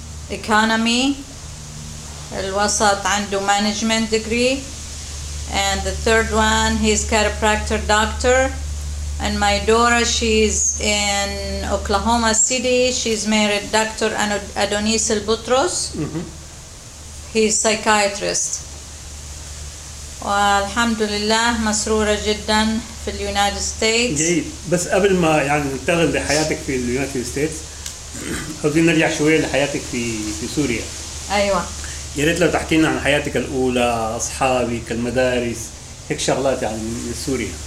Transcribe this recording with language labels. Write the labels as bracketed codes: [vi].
[en] economy, [ar] الوسط عنده [en] management degree, and the third one he's chiropractor doctor, and my daughter she's in Oklahoma City, she's married Dr. Adonis Elbutros, he's psychiatrist. [ar] والحمد لله مسرورة جدا في [en] اليونايتد ستيتس. [ar] جيد. بس قبل ما يعني ننتقل لحياتك في [en] اليونايتد ستيتس, [ar] عاوزين نرجع شوية لحياتك في سوريا. أيوة. ياريت لو تحكينا عن حياتك الأولى, أصحابك, المدارس, هيك شغلات يعني من سوريا.